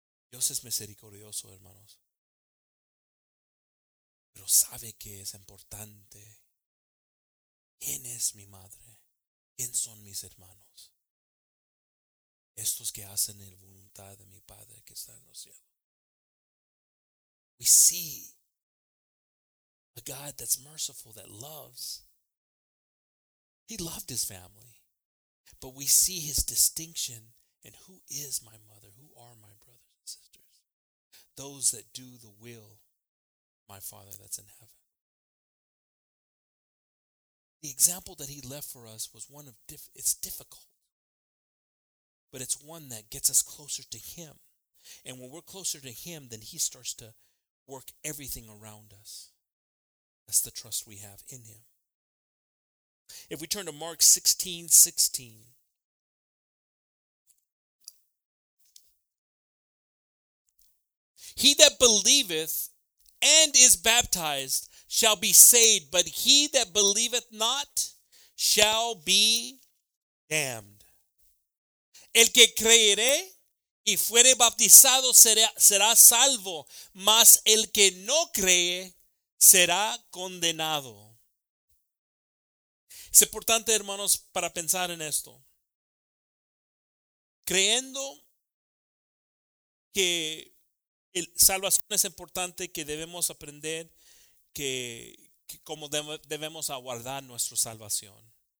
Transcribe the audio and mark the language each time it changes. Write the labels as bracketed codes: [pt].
[es] Dios es misericordioso, hermanos. Pero sabe que es importante. ¿Quién es mi madre? ¿Quién son mis hermanos? Estos que hacen el voluntad de mi Padre que está en los cielos. [en] We see a God that's merciful, that loves. He loved his family. But we see his distinction in who is my mother, who are my brothers and sisters. Those that do the will of my Father that's in heaven. The example that he left for us was one of it's difficult. But it's one that gets us closer to him. And when we're closer to him, then he starts to work everything around us. That's the trust we have in him. If we turn to Mark 16:16. He that believeth and is baptized shall be saved, but he that believeth not shall be damned. [es] El que creeré y fuere bautizado será salvo, mas el que no cree será condenado. Es importante, hermanos, para pensar en esto. Creyendo que el salvación es importante, que debemos aprender que cómo debemos aguardar nuestra salvación.